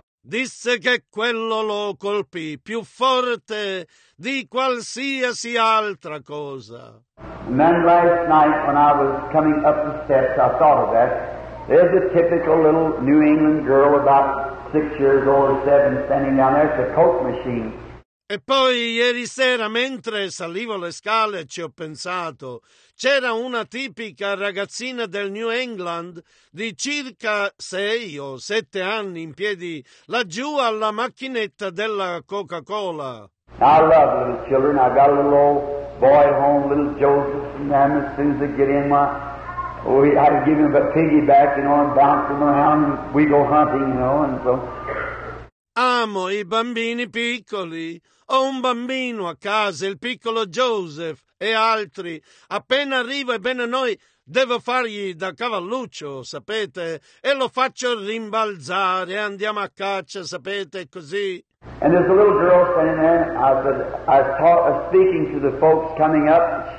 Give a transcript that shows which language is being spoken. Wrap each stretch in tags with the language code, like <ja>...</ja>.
<it>Disse che quello lo colpì più forte di qualsiasi altra cosa.</it> <en>And then last night when I was coming up the steps, I thought of that. There's a typical little New England girl about 6 years old, 7, standing down there at the Coke machine.</en> <it>E poi ieri sera, mentre salivo le scale, ci ho pensato. C'era una tipica ragazzina del New England di circa 6 o 7 anni in piedi laggiù alla macchinetta della Coca-Cola.</it> <en>I love little children. I got a little old boy at home, little Joseph, and them, as soon as they get in, I'd give him a piggyback, you know, and bounce them around, and we go hunting, you know, and so.</en> <it>Amo i bambini piccoli. Ho un bambino a casa, il piccolo Joseph, e altri. Appena arrivo, ebbene noi, devo fargli da cavalluccio, sapete? E lo faccio rimbalzare, andiamo a caccia, sapete, così.</it> <en>And there's a little girl standing there, I was speaking to the folks coming up.</en>